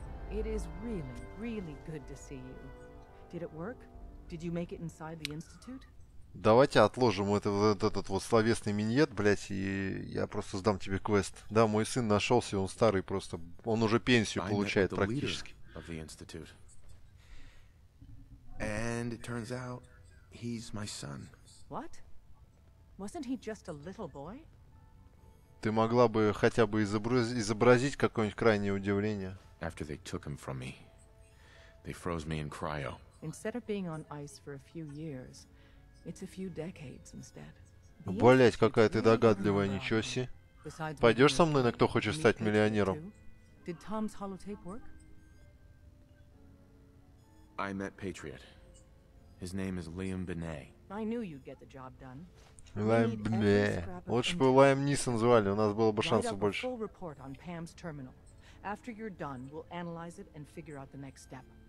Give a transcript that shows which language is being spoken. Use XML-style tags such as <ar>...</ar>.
<en>It is really, really good to see you. Did it work? Did you make it inside the institute?</en> <ru>Давайте отложим этот вот словесный миньет, блять, и я просто сдам тебе квест. Да, мой сын нашелся, он старый просто. Он уже пенсию получает практически.</ru> <en>Of the institute. And it turns out he's my son. What? Wasn't he just a little boy?</en> <ru>Ты могла бы хотя бы изобразить какое-нибудь крайнее удивление.</ru> <en>After they took him from me, they froze me in cryo. Instead of being on ice for a few years, it's a few decades instead.</en> <ru>Блять, какая ты догадливая, ничего себе. Пойдешь со мной на кто хочет стать миллионером?</ru> <en>Did Tom's holotape work? I met Patriot. His name is Liam Binet. I knew you'd get the job done.</en> <ru>Лайм, лучше бы Лайм Нисон звали, у нас было бы шансов больше.</ru> <en>Full report on Pam's terminal. After you're done, we'll analyze it and figure out the next step.</en>